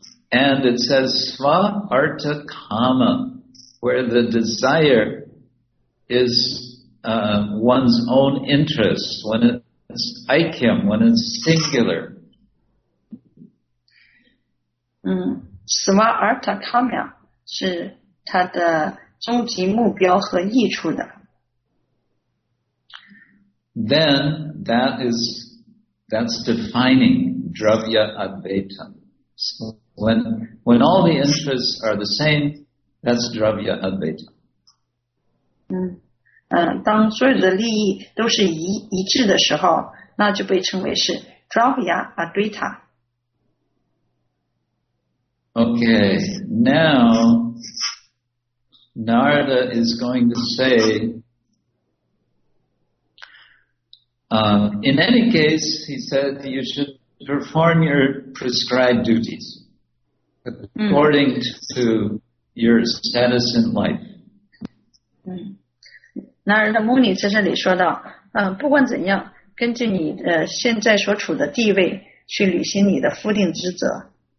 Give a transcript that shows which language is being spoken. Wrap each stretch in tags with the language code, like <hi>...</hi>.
<en>And it says sva artha kama, where the desire is one's own interest, when it's aikyam, when it's singular.</en> <zh>Sva artha kama 是它的终极目标和益处的。</zh> <en>Then that's defining dravya advaita. So when all the interests are the same, that's dravya advaita.</en> <zh>当所有的利益都是一致的时候，那就被称为是 dravya advaita。</zh> <en>Okay, now Narada is going to say, in any case, he said you should perform your prescribed duties according to your status in life.</en> <zh>Narada Muni 在这里说到，不管怎样，根据你现在所处的地位去履行你的夫定职责。</zh>